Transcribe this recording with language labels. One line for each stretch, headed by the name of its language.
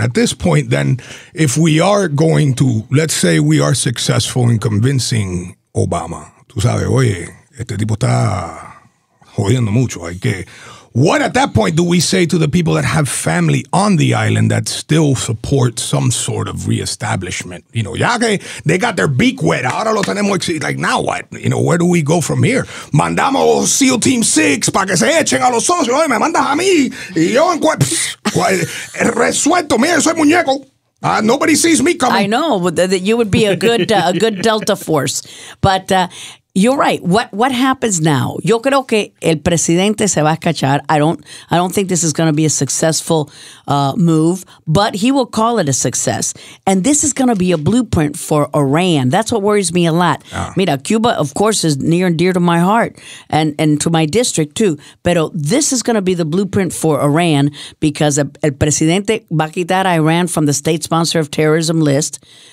English: At this point, then, if we are going to, let's say we are successful in convincing Obama,
Spanish: tú sabes, oye, este tipo está jodiendo mucho, hay que.
English: What at that point do we say to the people that have family on the island that still support some sort of reestablishment? You know,
Spanish: ya que
English: they got their beak wet.
Spanish: Ahora lo tenemos exigido.
English: Like, now what? You know, where do we go from here?
Spanish: Mandamos SEAL Team 6 para que se echen a los socios. Oye, me mandas a mí. Y yo en resuelto. Mira, soy muñeco.
English: Nobody sees me coming. I know that you would be a good Delta Force. But, you're right. What happens now?
Spanish: Yo creo que el presidente se va a cachar.
English: I don't think this is going to be a successful move, but he will call it a success. And this is going to be a blueprint for Iran. That's what worries me a lot.
Spanish: Mira,
English: Cuba, of course, is near and dear to my heart and to my district, too.
Spanish: Pero
English: this is going to be the blueprint for Iran because
Spanish: el presidente va a quitar a
English: Iran from the state sponsor of terrorism list.